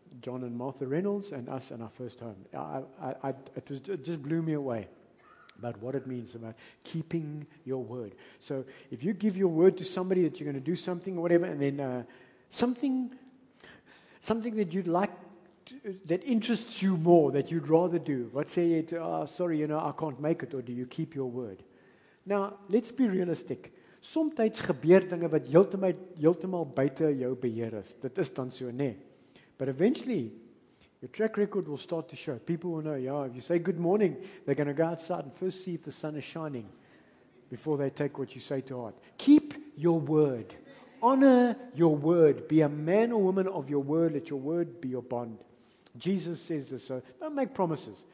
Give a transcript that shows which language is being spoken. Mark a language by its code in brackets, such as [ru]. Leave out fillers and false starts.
[en] John and Martha Reynolds, and us in our first home. It just blew me away about what it means about keeping your word. So if you give your word to somebody that you're going to do something or whatever, and then something that you'd like, that interests you more, that you'd rather do, but say, I can't make it, or do you keep your word? Now, let's be realistic. [af] Soms gebeur dinge wat heeltemal buite jou beheer is. Dit is dan so, nee. [en] But eventually, your track record will start to show. People will know, yeah, if you say good morning, they're going to go outside and first see if the sun is shining before they take what you say to heart. Keep your word. Honor your word. Be a man or woman of your word. Let your word be your bond. Jesus says this, so don't make promises.